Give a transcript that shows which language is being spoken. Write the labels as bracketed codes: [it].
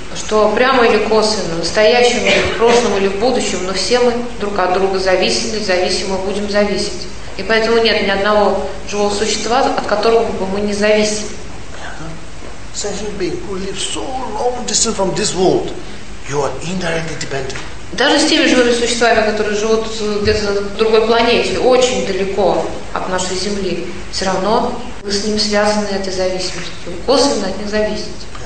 [ru] Что прямо или косвенно, в настоящем или в прошлом или в будущем, но все мы друг от друга зависели, зависимы, будем зависеть. И поэтому нет ни одного живого существа, от которого бы мы не зависели. [en] Sentient being who live so long distance from this world, you are indirectly dependent. [ru] Даже с теми живыми существами, которые живут где-то на другой планете, очень далеко от нашей Земли, все равно вы с ним связаны этой зависимостью, косвенно от них зависите.